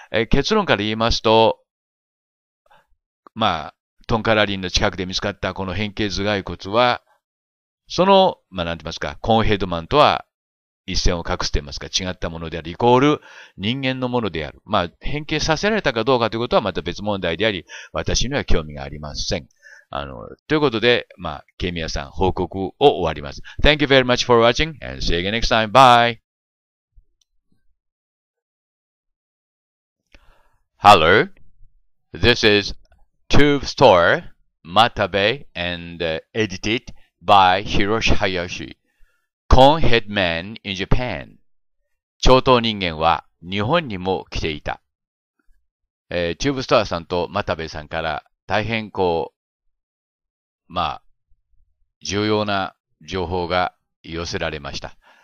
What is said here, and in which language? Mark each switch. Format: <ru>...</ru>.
<ja>結論から言いますと、まあ、トンカラリンの近くで見つかったこの変形頭蓋骨は、その、まあ、なんて言いますか、コーンヘッドマンとは一線を画していますか、違ったものであり、イコール人間のものである。まあ、変形させられたかどうかということはまた別問題であり、私には興味がありません。ということで、まあ、ケミヤさん、報告を終わります。</ja> <en>Thank you very much for watching and see you again next time. Bye! Hello, this is Tube Store Matabe and edited by Hiroshi Hayashi. Conehead Man in Japan.</en> <ja>超頭人間は日本にも来ていた。 Tube Store さんと Matabe さんから大変こう、まあ、重要な情報が寄せられました。</ja>